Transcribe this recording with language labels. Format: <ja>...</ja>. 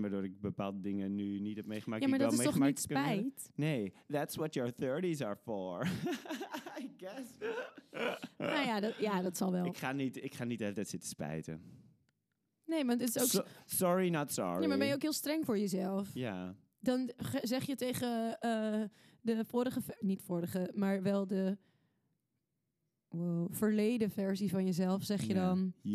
<nl>Waardoor ik bepaalde dingen nu niet heb meegemaakt. Ja, maar die dat wel is toch niet spijt?</nl> <en>Nee, that's what your 30s are for. I guess.</en> <nl>Nou ja, dat zal wel. Ik ga niet de hele tijd zitten spijten. Nee, want het is ook...</nl> <en>Sorry, not sorry.</en> <nl>Ja, maar ben je ook heel streng voor jezelf? Ja. Dan zeg je tegen de vorige... Niet vorige, maar wel de... Wow, verleden versie van jezelf, zeg je dan...</nl>